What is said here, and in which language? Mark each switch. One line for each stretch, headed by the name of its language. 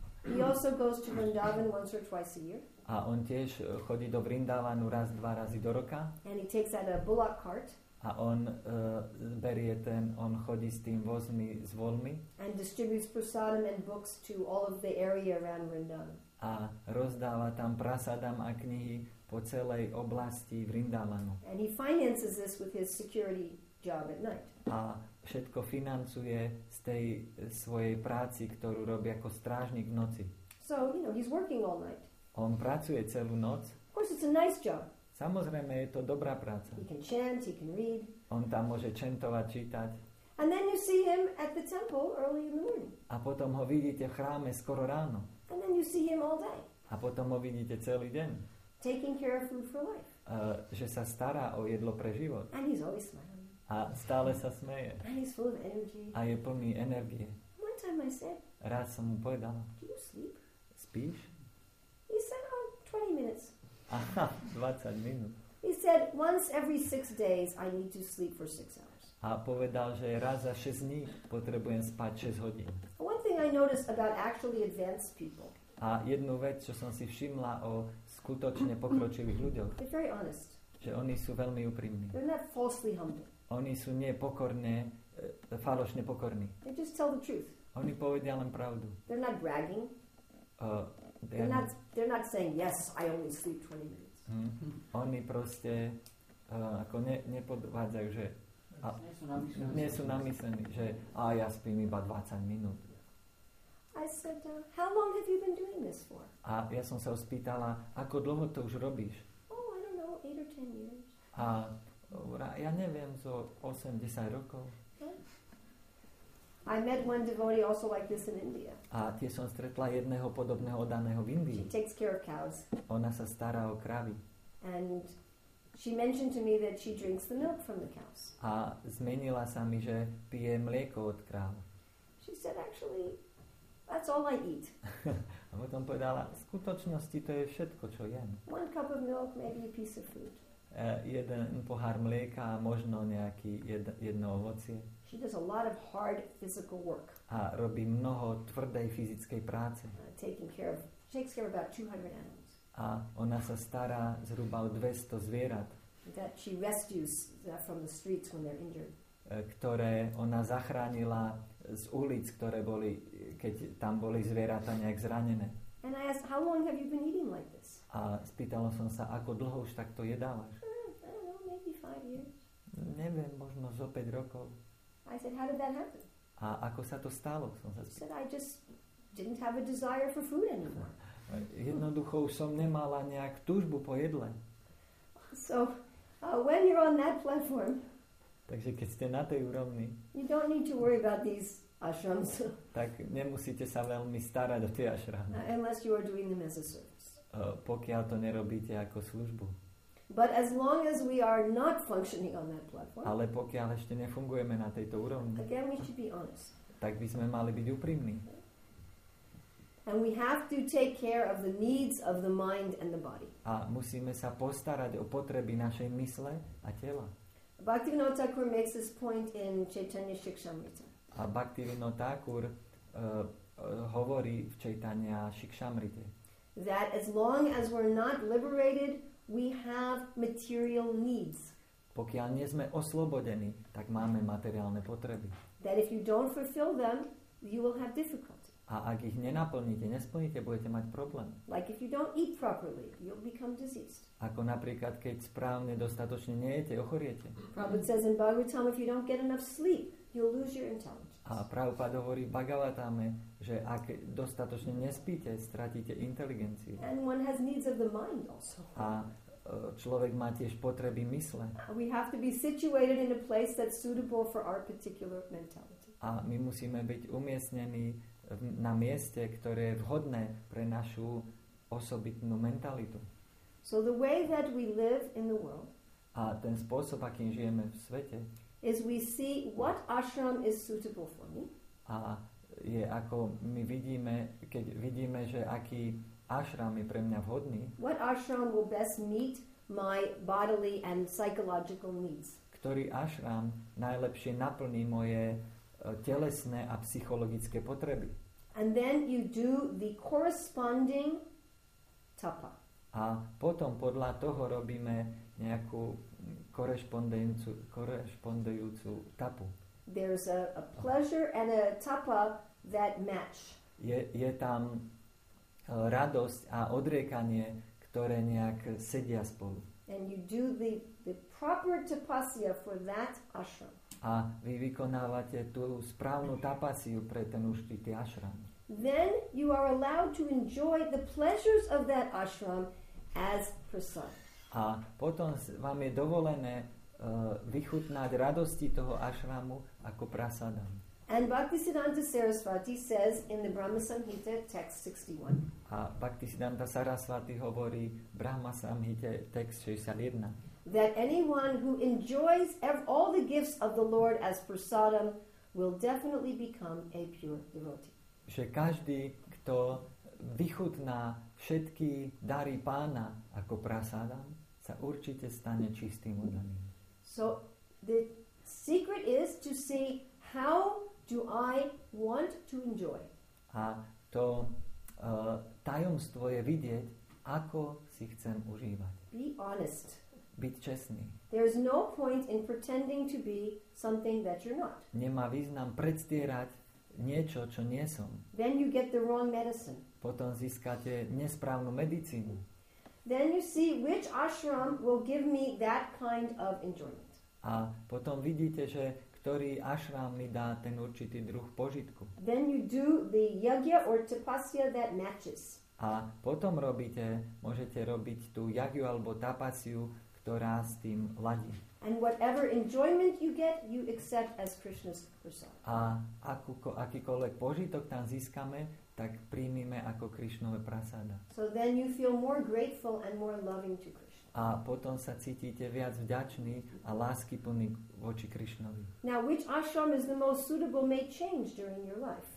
English: He also goes to Vrindavan once or twice a year.
Slovak: A on tiež chodí do Vrindavanu raz, dva razy do roka.
English: And he takes out a bullock cart.
Slovak: A on berie ten, on chodí s tým vozmi, s volmi.
English: And distributes prasadam and books to all of the area around Vrindavan.
Slovak: A rozdáva tam prasadam a knihy po celej oblasti Vrindavanu.
English: And he finances this with his security job at night.
Slovak: A všetko financuje z tej svojej práci, ktorú robí ako strážnik v noci.
English: So, you know, he's working all night.
Slovak: On pracuje celú noc.
English: Of course it's a nice job.
Slovak: Samozrejme, je to dobrá práca.
English: He can chant, he can read.
Slovak: On tam môže čentovať, čítať.
English: And then you see him at the temple early in the morning.
Slovak: A potom ho vidíte v chráme skoro ráno.
English: And then you see him all day.
Slovak: A potom ho vidíte celý deň.
English: Taking care of food for life.
Slovak: Že sa stará o jedlo pre život.
English: And he's always smiling.
Slovak: A stále sa smeje.
English: And he's full of energy.
Slovak: A je plný energie.
English: One time I said,
Slovak: raz som mu povedal,
English: do you sleep?
Slovak: Spíš?
English: He said, oh, 20 minutes.
Slovak: Aha, 20 minút.
English: He said, once every 6 days I need to sleep for 6 hours.
Slovak: A povedal, že raz za 6 dní potrebujem spať 6 hodín.
English: One thing I noticed about actually advanced people.
Slovak: A jednu vec, čo som si všimla o skutočne pokročilých ľuďoch.
English: They're very honest.
Slovak: Že oni sú veľmi úprimní.
English: They're not falsely humble.
Slovak: Oni sú nepokorné, falošne pokorní.
English: They just tell the truth.
Slovak: Oni povedia len pravdu.
English: They're not bragging. They're not saying, yes, I only sleep 20 minutes. Mm.
Slovak: Oni proste ako nepodvádzajú, že a nie sú namyslení, že a ja spím iba 20 minút.
English: I said, how long have you been doing this for?
Slovak: A ja som sa ho spýtala, ako dlho to už robíš?
English: Oh, I don't know, 8 or 10 years.
Slovak: A ja neviem, zo 80 rokov.
English: I met one devotee also like this in India.
Slovak: A tie som stretla jedného podobného oddaného v Indii.
English: She takes care of cows.
Slovak: Ona sa stará o kravy.
English: And she mentioned to me that she drinks the milk from the cows.
Slovak: A zmenila sa mi, že pije mlieko od kráv.
English: She said, actually, that's all I eat.
Slovak: A potom povedala, v skutočnosti to je všetko, čo jem.
English: One cup of milk, maybe a piece of food.
Slovak: Jeden pohár mlieka a možno nejaký jedno ovocie.
English: She does a lot of hard physical work.
Slovak: A robí mnoho tvrdej fyzickej práce.
English: Takes care of about 200 animals.
Slovak: A ona sa stará zhruba o 200 zvierat.
English: That she rescues from the streets when they're injured.
Slovak: Ktoré ona zachránila z ulic, ktoré boli, keď tam boli zvieratá nejak zranené.
English: And I asked, how long have you been eating like this?
Slovak: A spýtala som sa, ako dlho už takto jedávaš?
English: I don't know, maybe 5 years.
Slovak: Neviem, možno zo 5 rokov.
English: I said, how did that happen?
Slovak: A ako sa to stalo? Som sa spýtala.
English: She said, I just didn't have a desire for food anymore.
Slovak: Jednoducho už som nemala nejak túžbu po jedle.
English: So, when you're on that platform,
Slovak: takže keď ste na tej úrovni,
English: you don't need to worry about these ashrams.
Slovak: Tak nemusíte sa veľmi starať o tie ashramy.
English: Unless you are doing them as a service.
Slovak: Pokiaľ to nerobíte ako službu.
English: But as long as we are not functioning on that platform,
Slovak: ale pokiaľ ešte nefungujeme na tejto úrovni,
English: again we should be honest.
Slovak: Tak by sme mali byť úprimní.
English: And we have to take care of the needs of the mind and the body.
Slovak: A musíme sa postarať o potreby našej mysle a tela.
English: Bhaktivinoda Thakur makes this point in Chaitanya Shikshamrita.
Slovak: A Bhaktivinoda Thakur hovorí v Chaitanya Shikshamrite.
English: That as long as we're not liberated, we have material needs.
Slovak: Pokiaľ nie sme oslobodení, tak máme materiálne potreby.
English: That if you don't fulfill them, you will have difficulty.
Slovak: A ak ich nenaplníte, nesplníte, budete mať problém.
English: Like if you don't eat properly, you'll become diseased.
Slovak: Ako napríklad, keď správne dostatočne nejete, ochoriete.
English: Prabhupada says in Bhagavatam, if you don't get enough sleep, you'll lose your intelligence.
Slovak: A Prabhupada hovorí v Bhagavatame, že ak dostatočne nespíte, stratíte inteligenciu.
English: And one has needs of the mind also.
Slovak: A človek má tiež potreby mysle.
English: We have to be situated in a place that's suitable for our particular mentality.
Slovak: A my musíme byť umiestnení na mieste, ktoré je vhodné pre našu osobitnú mentalitu.
English: So the way that we live in the world,
Slovak: a ten spôsob, akým žijeme v svete,
English: is we see what ashram is suitable for me.
Slovak: A je ako my vidíme, keď vidíme, že aký ashram je pre mňa vhodný.
English: What ashram will best meet my bodily and psychological needs.
Slovak: Ktorý ashram najlepšie naplní moje telesné a psychologické potreby.
English: And then you do the corresponding tapa.
Slovak: A potom podľa toho robíme nejakú korešpondujúcu tapu.
English: There's a pleasure and a tapa that match.
Slovak: Je tam radosť a odriekanie, ktoré nejak sedia spolu.
English: And you do the proper tapasya for that ashram.
Slovak: A vy vykonávate tú správnu tapasiu pre ten uštitý ashram.
English: Then you are allowed to enjoy the pleasures of that ashram as prasad.
Slovak: A potom vám je dovolené vychutnať radosti toho ashramu ako prasadam.
English: And Bhaktisiddhanta Sarasvati says in the Brahma Samhita text 61.
Slovak: A Bhaktisiddhanta Sarasvati hovorí Brahma Samhita text 61.
English: That anyone who enjoys all the gifts of the Lord as prasadam will definitely become a pure devotee.
Slovak: Že každý, kto vychutná všetky dary pána ako prasadam, sa určite stane čistým oddaným.
English: So the secret is to see how do I want to enjoy.
Slovak: A to tajomstvo je vidieť, ako si chcem užívať.
English: Be honest.
Slovak: Byť čestný.
English: There is no point in pretending to be something that you're not.
Slovak: Nemá význam predstierať niečo, čo nie som.
English: Then you get the wrong medicine.
Slovak: Potom získate nesprávnu medicínu.
English: Then you see which ashram will give me that kind of enjoyment.
Slovak: A potom vidíte, že ktorý ashram mi dá ten určitý druh požitku.
English: Then you do the yagya or tapasya that matches.
Slovak: A potom robíte, môžete robiť tú yagyu alebo tapasiu, ktorá s tým ladí.
English: And whatever enjoyment you get, you accept as Krishna's prasad.
Slovak: A akýkoľvek požitok tam získame, tak príjmime ako Krishnove prasada.
English: So then you feel more grateful and more loving to Krishna.
Slovak: A potom sa cítite viac vďačný a láskyplný voči Krishnovi.
English: Now which ashram is the most suitable may change during your life.